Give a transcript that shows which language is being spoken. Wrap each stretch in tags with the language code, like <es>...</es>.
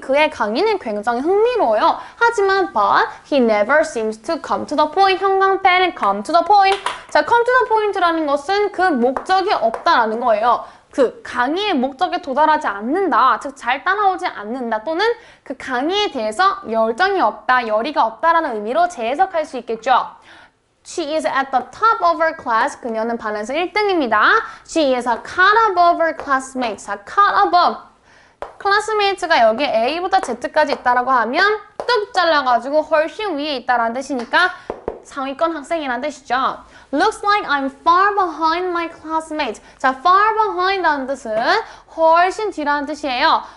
<ko>그의 강의는 굉장히 흥미로워요. 하지만</ko> <en>but he never seems to come to the point.</en> <ko>형광펜은</ko> <en>come to the point.</en> <ko>자, come to the point라는 것은 그 목적이 없다라는 거예요. 그 강의의 목적에 도달하지 않는다. 즉 잘 따라오지 않는다. 또는 그 강의에 대해서 열정이 없다, 열의가 없다라는 의미로 재해석할 수 있겠죠.</ko> <en>She is at the top of her class.</en> <ko>그녀는 반에서 1등입니다.</ko> <en>She is a cut above her classmates. A cut above.</en> <ko>Classmates가 여기 A부터 Z까지 있다라고 하면 뚝 잘라가지고 훨씬 위에 있다라는 뜻이니까 상위권 학생이라는 뜻이죠.</ko> <en>Looks like I'm far behind my classmates.</en> <ko>자, far behind라는 뜻은 훨씬 뒤라는 뜻이에요.</ko>